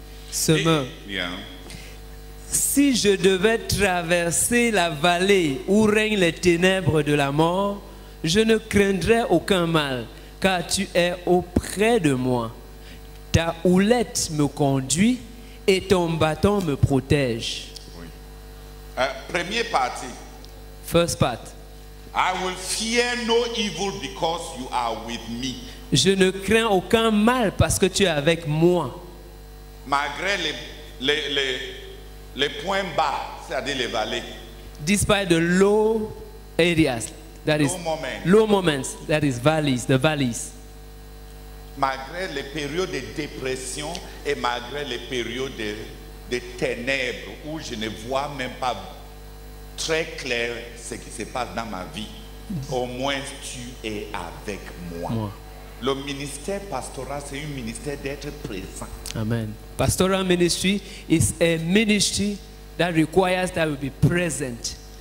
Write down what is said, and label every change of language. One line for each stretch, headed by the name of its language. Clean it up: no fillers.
French: Semain, si je devais traverser la vallée où règnent les ténèbres de la mort, je ne craindrais aucun mal, car tu es auprès de moi. Ta houlette me conduit et ton bâton me protège. Oui. Première partie.
English: First part. I will fear no evil because you are with me.
French: Je ne crains aucun mal parce que tu es avec moi. Malgré les points bas, c'est-à-dire les vallées.
English: Despite the low areas, that is low moments, that is valleys, the valleys.
French: Malgré les périodes de dépression et malgré les périodes de ténèbres où je ne vois même pas très clair ce qui se passe dans ma vie, au moins tu es avec moi. Moi. Le ministère pastoral, c'est un ministère d'être présent. Amen.
English: Pastoral ministry is a ministry that requires that we be present.